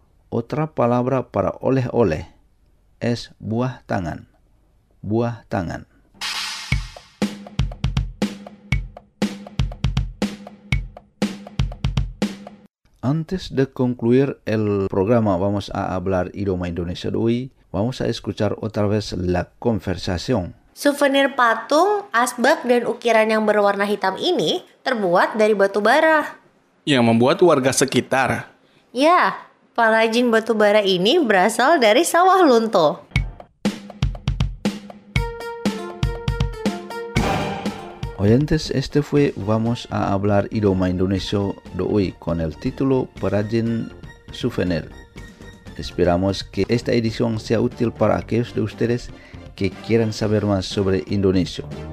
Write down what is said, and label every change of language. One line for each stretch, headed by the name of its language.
Spanish: Otra palabra para oleh, oleh, es buah tangan, buah tangan. Antes de concluir el programa, vamos a hablar idioma indonesio de hoy. Vamos a escuchar otra vez la conversación.
Indonesian: Souvenir patung, asbak, dan ukiran yang berwarna hitam ini terbuat dari batu bara. Yang membuat warga sekitar. Ya, pengrajin batu bara ini berasal dari sawah lunto.
Spanish: Oyentes, este fue Vamos a hablar idioma indonesio de hoy con el título Perajin Souvenir. Esperamos que esta edición sea útil para aquellos de ustedes que quieran saber más sobre Indonesia.